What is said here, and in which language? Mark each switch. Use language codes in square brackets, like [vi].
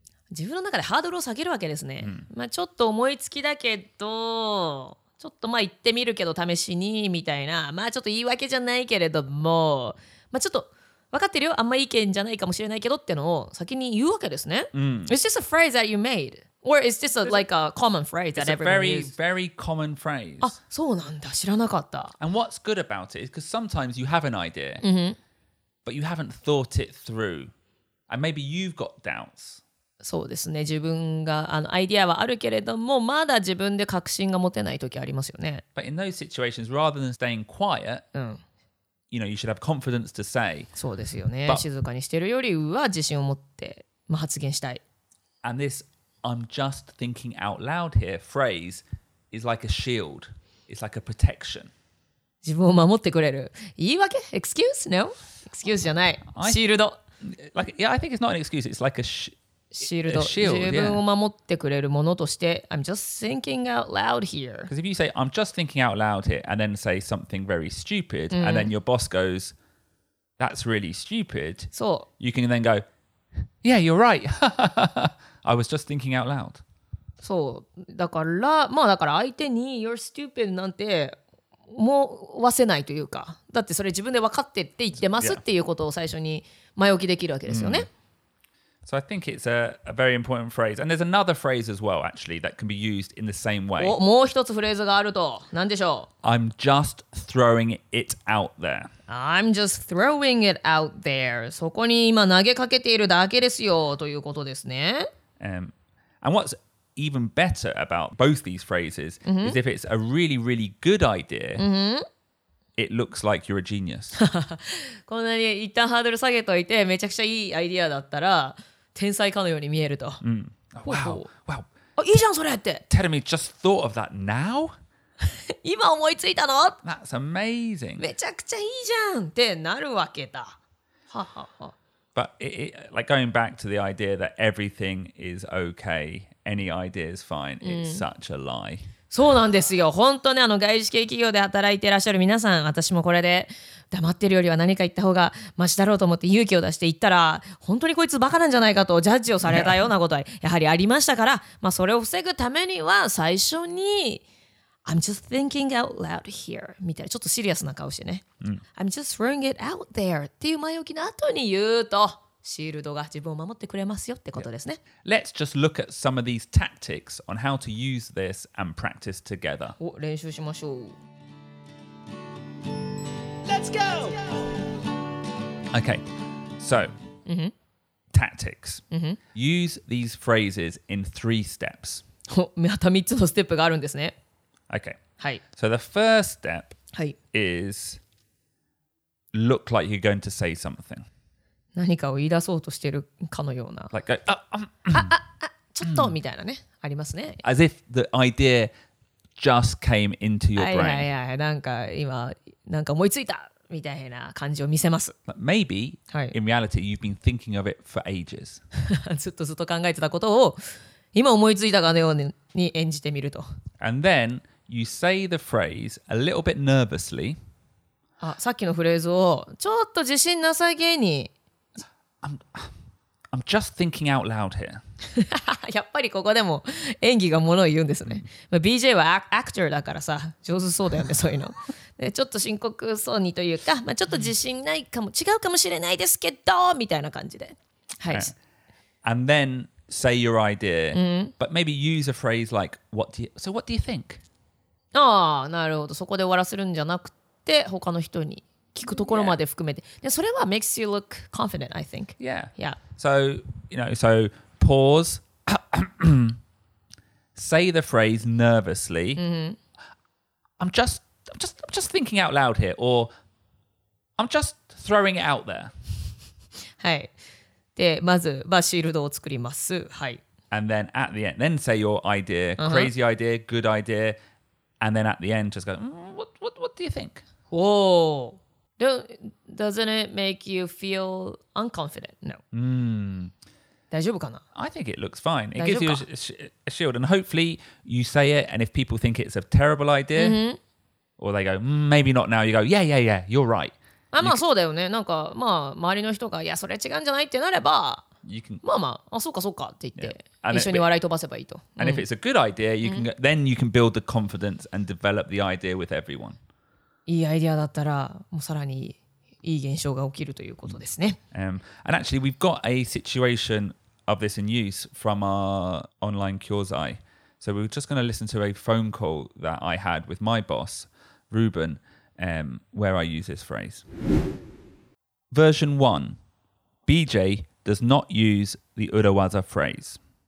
[ja] 自分の中でハードルを下げるわけですね。まあちょっと思いつきだけど、ちょっとまあ言ってみるけど試しにみたいな、まあちょっと言い訳じゃないけれども、まあちょっとわかってるよ。あんま意見じゃないかもしれないけどってのを先に言うわけですね。 Mm. [en] It's just a phrase that you made. Or it's just a, like a common phrase that everyone uses. It's a very common phrase. [ja] あ、そうなんだ。知らなかった。 [en] And what's good about it is because sometimes you have an idea,、 mm-hmm. but you haven't thought it through. And maybe you've got doubts. [ja] そうですね。自分があのアイディアはあるけれども、まだ自分で確信が持てない時ありますよね。 [en] But in those situations, rather than staying quiet,、うん、 you know, you should have confidence to say. [ja] そうですよね。 But, 静かにしてるよりは自信を持って、まあ、発言したい。 [en] And this, I'm just thinking out loud here, phrase is like a shield. It's like a protection. [ja] 自分を守ってくれる。言い訳 ? [en] Excuse? No? Excuse [ja] じゃない。シールド。 [en] Like, yeah, I think it's not an excuse. It's like a shield. [ja] シールド、自分を守ってくれるものとして、yeah. [en] I'm just thinking out loud here. Because if you say, I'm just thinking out loud here, and then say something very stupid,、mm. and then your boss goes, that's really stupid, [ja] そう [en] you can then go, yeah, you're right. I was just thinking out loud. [ja] そう、だから、まあだから相手に [en] you're stupid [ja] なんて思わせないというか、だってそれ自分で分かってって言ってます、yeah. っていうことを最初に前置きできるわけですよね。Mm. [en] So I think it's a very important phrase. And there's another phrase as well, actually, that can be used in the same way. [ja] お、もう一つフレーズがあると。何でしょう? [en] I'm just throwing it out there. I'm just throwing it out there. [ja] そこに今投げかけているだけですよ、ということですね。 [en] And what's even better about both these phrases、mm-hmm. is if it's a really, really good idea,、 mm-hmm. It looks like you're a genius. [ja] こんなに一旦ハードル下げといてめちゃくちゃいいアイディアだったら天才かのように見えると。 [en] うん。Wow. Wow. [ja] あ、いいじゃんそれって。 [en] Teremy just thought of that now? [ja] 今思いついたの? [en] That's amazing. [ja] めちゃくちゃいいじゃんってなるわけだ。はは。 [en] But it, like going back to the idea that everything is okay, any idea is fine, it's such a lie. [ja] そうなんですよ。本当ね、あの外資系企業で働いていらっしゃる皆さん、私もこれで黙ってるよりは何か言った方がマシだろうと思って勇気を出して言ったら、本当にこいつバカなんじゃないかとジャッジをされたようなことはやはりありましたから、まあそれを防ぐためには最初に [en] I'm just thinking out loud here [ja] みたいな、ちょっとシリアスな顔してね、うん、 [en] I'm just throwing it out there [ja] っていう前置きの後に言うとシールドが自分を守ってくれますよってことですね。 [en] Let's just look at some of these tactics on how to use this and practice together. [ja] 練習しましょう。 [en] Let's go! Okay, so,、 mm-hmm. tactics.、 Mm-hmm. Use these phrases in three steps. [ja] また3つのステップがあるんですね。 [en] Okay. [ja] はい。 [en] So the first step、 [ja] はい、 [en] is look like you're going to say something. [ja] 何かを言い出そうとしてるかのような。 [en] Like, [ja] あ、ちょっとみたいなね、ありますね。 [en] As if the idea just came into your brain. [ja] いやいやいや、なんか今、なんか思いついたみたいな感じを見せます。 [en] But、maybe, in reality, you've been thinking of it for ages. [ja] ずっとずっと考えてたことを、今思いついたかのように演じてみると。 [en] And then, you say the phrase a little bit nervously. [ja] あ、さっきのフレーズを、ちょっと自信なさげに、 [en] I'm just thinking out loud here. [ja] やっぱりここでも演技がものを言うんですね。まあ、BJ はアクターだからさ、上手そうだよね、そういうの。で、ちょっと深刻そうにというか、まあ、ちょっと自信ないかも、違うかもしれないですけど、みたいな感じで。はい。Okay. [en] And then say your idea, but maybe use a phrase like, what do you, so what do you think? [ja] ああ、なるほど。そこで終わらせるんじゃなくて、他の人に。聞くところまで含めて、yeah. それは [en] makes you look confident, I think. Yeah. Yeah. So, you know, so pause, say the phrase nervously.、 Mm-hmm. I'm just thinking out loud here, or I'm just throwing it out there. [ja] はい。で、まず、まあ、シールドを作ります。はい。 [en] And then at the end, then say your idea,、uh-huh. crazy idea, good idea, and then at the end, just go,、what do you think? Whoa. Doesn't it make you feel unconfident? No. Mm. [ja] 大丈夫かな? [en] I think it looks fine. It gives you a shield. And hopefully you say it, and if people think it's a terrible idea,、 mm-hmm. or they go,、maybe not now, you go, yeah, yeah, yeah, you're right. [ja] あ、まあそうだよね。なんか、まあ周りの人が、いや、それ違うんじゃないってなれば、 [en] you can, [ja] まあまあ、あ、そうかそうかって言って、yeah. 一緒に笑い飛ばせばいいと。 [en] And if it's a good idea, you can,、mm-hmm. then you can build the confidence and develop the idea with everyone. [ja] いいアイディアだったらもうさらにいい現象が起きるということですね。 [en] And actually, we've got a situation of this in use from our online 教材. So we're just going to listen to a phone call that I had with my boss, Ruben, where I use this phrase. Version 1. BJ does not use the urawaza phrase.